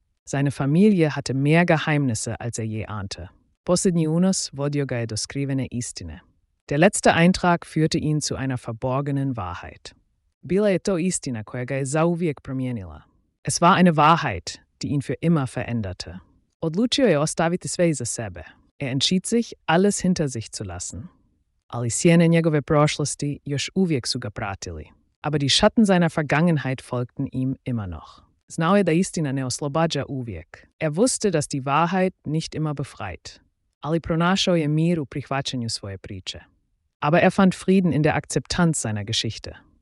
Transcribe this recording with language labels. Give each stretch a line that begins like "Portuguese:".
German: Seine Familie hatte mehr Geheimnisse, als er je ahnte.
Croatian: Posljednji unos vodio ga je do skrivene istine.
German: Der letzte Eintrag führte ihn zu einer verborgenen Wahrheit.
Croatian: Bila je to istina koja ga je zauvijek promijenila.
German: Es war eine Wahrheit, die ihn für immer veränderte.
Croatian: Odlučio je ostaviti sve iza sebe.
German: Er entschied sich, alles hinter sich zu lassen.
Croatian: Ali sjene njegove prošlosti još uvijek su ga pratili.
German: Aber die Schatten seiner Vergangenheit folgten ihm immer noch.
Croatian: Znao je da istina ne oslobađa uvijek.
German: Er wusste, dass die Wahrheit nicht immer befreit.
Croatian: Ali pronašao je mir u prihvaćanju svoje priče.
German: Aber er fand Frieden in der Akzeptanz seiner Geschichte.